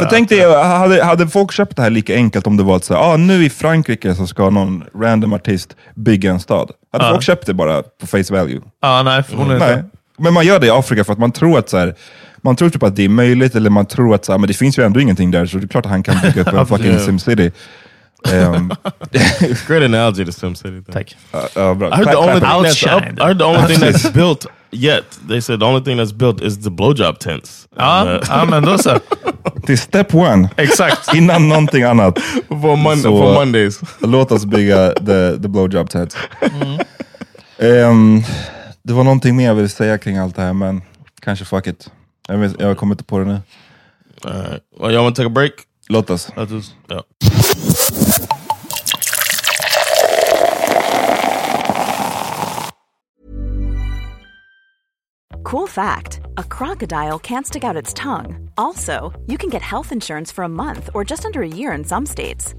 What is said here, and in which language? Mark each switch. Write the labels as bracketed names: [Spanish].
[Swedish] För tänk dig, hade folk köpt det här lika enkelt om det var att säga, nu i Frankrike så ska någon random artist bygga en stad. Hade folk köpt det bara på face value? Nej. Men man gör det i Afrika för att man tror att så här, man tror typ att det är möjligt, eller man tror att så här, men det finns ju ändå ingenting där, så det är klart att han kan bygga upp en fucking SimCity. [English] Great analogy to SimCity. Thank you. I heard the only thing that's built yet. They said the only thing that's built is the blowjob tents. Mendoza. [Swedish] Det är step one. Exakt. Innan någonting annat. [English] For Mondays. [Swedish] Låt oss bygga [English] the blowjob tents. [Swedish] Det var någonting mer jag ville säga kring allt det här, men kanske fuck it. Jag kommer inte på det nu. [English] Well, y'all want to take a break? [Swedish] Låt oss. Ja. [English] Cool fact, a crocodile can't stick out its tongue. Also, you can get health insurance for a month or just under a year in some states.